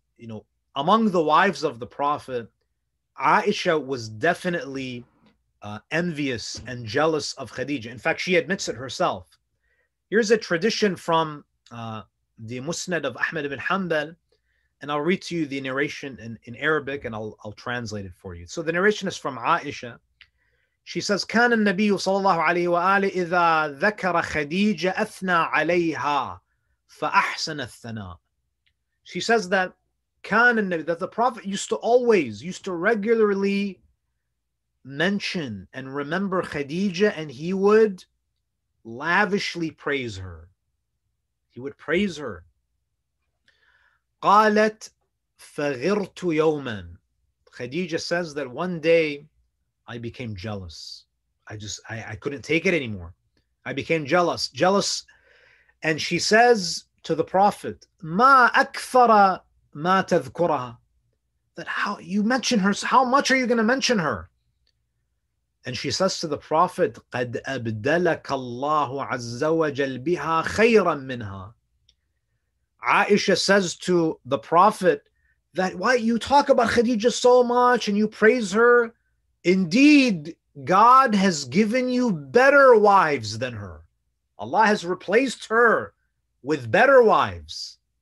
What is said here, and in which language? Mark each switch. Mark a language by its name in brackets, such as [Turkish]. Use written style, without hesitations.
[English] You know, among the wives of the Prophet, Aisha was definitely envious and jealous of Khadija. In fact, she admits it herself. Here's a tradition from the Musnad of Ahmad ibn Hanbal, and I'll read to you the narration in Arabic, and I'll translate it for you. So the narration is from Aisha. She says, [Arabic] كان النبي صلى الله عليه وآله إذا ذكر خديجة أثنى عليها فأحسن الثناء. [English] She says that the Prophet used to regularly mention and remember Khadija, and he would lavishly praise her. He would praise her. [Arabic] قالت فغرت يوما. [English] Khadija says that one day I became jealous. I couldn't take it anymore. I became jealous. And she says to the Prophet, [Arabic] ما أكثر ما تذكرها. [English] That how you mention her, how much are you going to mention her? And she says to the Prophet, [Arabic] قَدْ أَبْدَلَكَ اللَّهُ عَزَّ وَجَلْ بِهَا خَيْرًا مِّنْهَا. [English] Aisha says to the Prophet, that why you talk about Khadija so much and you praise her, indeed God has given you better wives than her. Allah has replaced her with better wives.